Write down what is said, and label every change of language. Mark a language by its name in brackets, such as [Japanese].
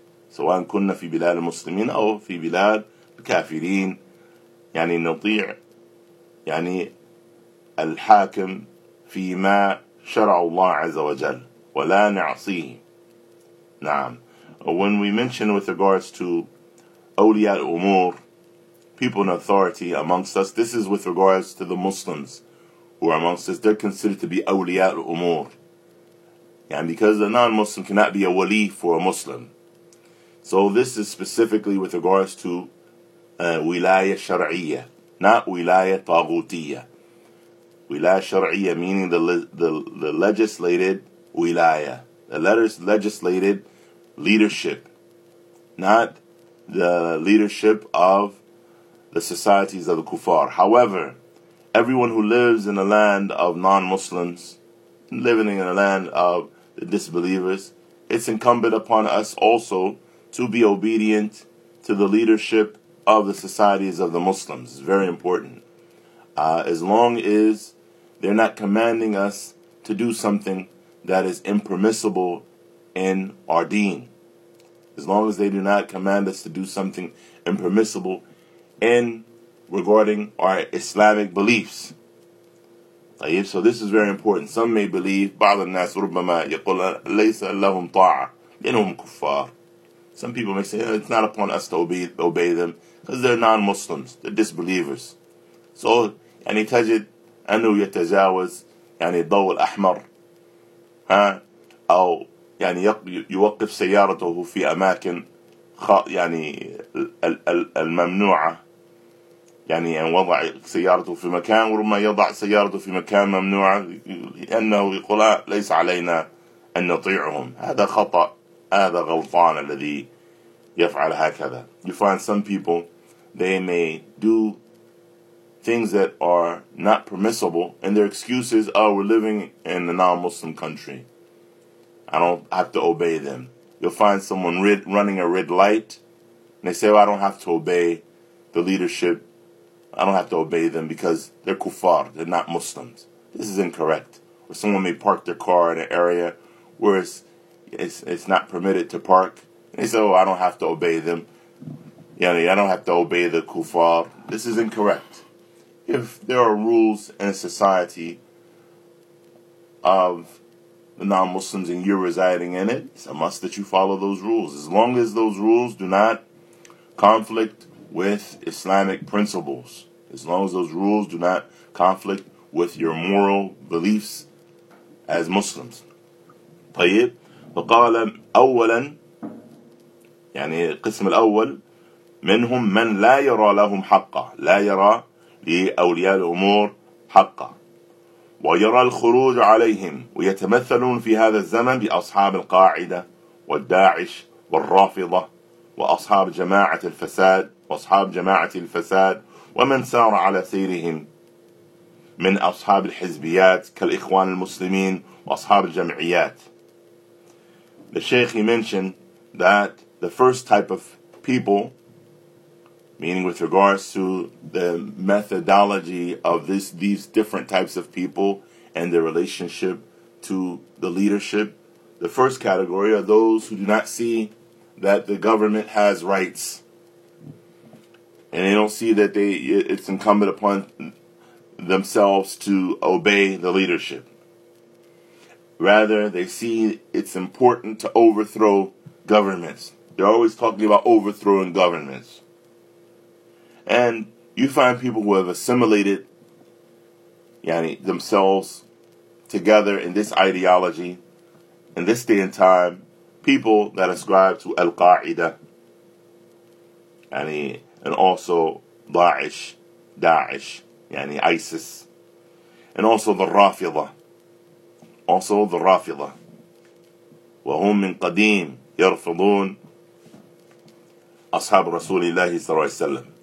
[Arabic] سواء كنا في بلاد المسلمين أو في بلاد الكافرين يعني نطيع يعني الحاكم فيما شرع الله عز وجل ولا نعصيه. نعم. [English] When we mention with regards to أولياء الأمور, people in authority amongst us, this is with regards to the Muslims who are amongst us. They're considered to be أولياء الأمور. And because a non-Muslim cannot be a wali for a Muslim. So this is specifically with regards to [Arabic] ولاية شرعية, [English] not [Arabic] ولاية طاغوتية. [English] ولاية شرعية meaning the legislated ولاية, the letters legislated leadership, not the leadership of the societies of the Kufar. However, everyone who lives in a land of non-Muslims, living in a land of the disbelievers, it's incumbent upon us also to be obedient to the leadership of the societies of the Muslims. It's very important. As long as they're not commanding us to do something that is impermissible in our deen. As long as they do not command us to do something impermissible in regarding our Islamic beliefs. So this is very important. Some may believe, [Arabic] بعض الناس ربما يقول ليس لهم طاعة لأنهم كفار. [English] Some people may say, it's not upon us to obey them because they're non-Muslims, they're disbelievers. So, [Arabic] يعني تجد أنه يتجاوز يعني الضوء الأحمر أو يعني يوقف سيارته في أماكن يعني الممنوعة يعني وضع سيارته في مكان وربما يضع سيارته في مكان ممنوع لأنه يقول ليس علينا أن نطيعهم. هذا خطأ, هذا غلطان الذي يفعل هكذا. [English] You find some people, they may do things that are not permissible and their excuses are, we're living in a non-Muslim country, I don't have to obey them. You'll find someone running a red light and they say, well, I don't have to obey the leadership, I don't have to obey them because they're kuffar, they're not Muslims. This is incorrect. Or someone may park their car in an area where it's not permitted to park. And they say, oh, I don't have to obey them. You know, I don't have to obey the kuffar. This is incorrect. If there are rules in a society of the non-Muslims and you're residing in it, it's a must that you follow those rules. As long as those rules do not conflict with Islamic principles, as long as those rules do not conflict with your moral beliefs as Muslims. [Arabic] طيب, فقال أولا يعني القسم الأول منهم من لا يرى لهم حقا, لا يرى لأولياء الأمور حقا, ويرى الخروج عليهم, ويتمثلون في هذا الزمن بأصحاب القاعدة والداعش والرافضة وأصحاب جماعة الفساد وأصحاب جماعة الفساد ومن سار على سيرهم من أصحاب الحزبيات كالإخوان المسلمين وأصحاب الجمعيات. [English] The Sheikh, he mentioned that the first type of people, meaning with regards to the methodology of these different types of people and their relationship to the leadership, the first category are those who do not see that the government has rights. And they don't see that it's incumbent upon themselves to obey the leadership. Rather, they see it's important to overthrow governments. They're always talking about overthrowing governments. And you find people who have assimilated yani themselves together in this ideology, in this day and time, people that ascribe to Al-Qaeda, yani, and also Daesh, yani ISIS, and also the Rafida, also the Rafida. [Arabic] وهم من قديم يرفضون أصحاب رسول الله صلى الله عليه وسلم.